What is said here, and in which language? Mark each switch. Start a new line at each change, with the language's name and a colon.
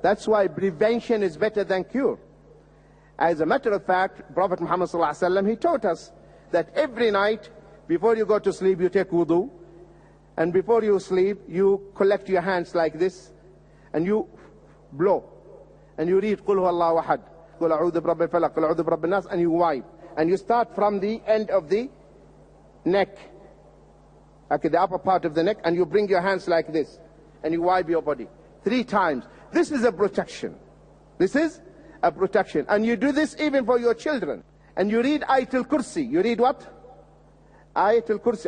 English: That's why prevention is better than cure. As a matter of fact, Prophet Muhammad sallallahu alaihi wasallam, he taught us that every night before you go to sleep, you take wudu. And before you sleep, you collect your hands like this and you blow. And you read,
Arabic: قُلْ هُوَ اللَّهُ أَحَدْ قُلْ أَعُوذُ بِرَبِّ الْفَلَقِ قُلْ أَعُوذُ بِرَبِّ النَّاسِ
English: and you wipe. And you start from the end of the neck, like the upper part of the neck, and you bring your hands like this and you wipe your body. Three times. This is a protection. This is a protection. And you do this even for your children. And you read Ayatul Kursi. You read what? Ayatul Kursi.